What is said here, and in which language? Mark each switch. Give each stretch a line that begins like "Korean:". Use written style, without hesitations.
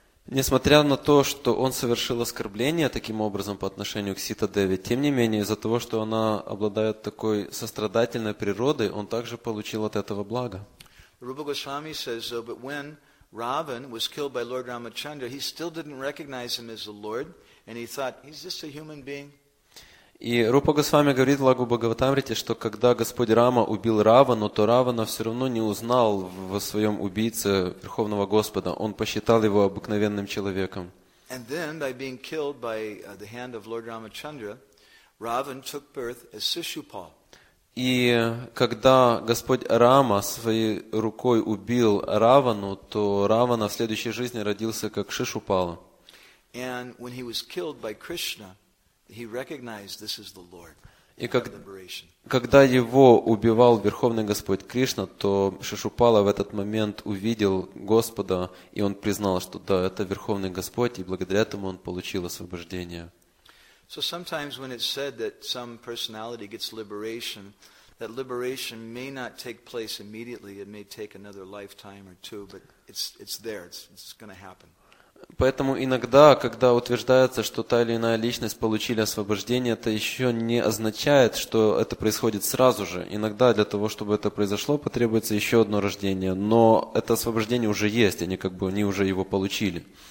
Russian: Несмотря на то, что он совершил оскорбление таким образом по отношению к Сита Деви, тем не менее, из-за того, что она обладает такой сострадательной природой, он также получил от этого благо.
English: Rupa Goswami says, though, but when Ravan was killed by Lord Ramachandra, he still didn't recognize him as the Lord, and he thought, he's just a human being.
Russian: И Рупа Госвами говорит в Лагу Бхагаватамрите, что когда Господь Рама убил Равану, то Равана все равно не узнал во своем убийце Верховного Господа. Он посчитал его обыкновенным человеком.
English: And then, by being killed by the hand of Lord Ramachandra, Ravan took birth as Sishupal.
Russian: И когда Господь Рама своей рукой убил Равану, то Равана в следующей жизни родился как Шишупала.
English: And when he was killed by Krishna, he recognized this is the Lord.
Russian: И когда его убивал Верховный Господь Кришна, то Шишупала в этот момент увидел Господа, и он признал, что да, это Верховный Господь, и благодаря этому он получил освобождение.
English: So sometimes when it's said that some personality gets liberation, that liberation may not take place immediately, it may take another lifetime or two, but it's there, it's going to happen.
Russian: Поэтому иногда, когда утверждается, что та или иная личность получили освобождение, это еще не означает, что это происходит сразу же. Иногда для того, чтобы это произошло, потребуется еще одно рождение. Но это освобождение уже есть, они как бы они уже его получили.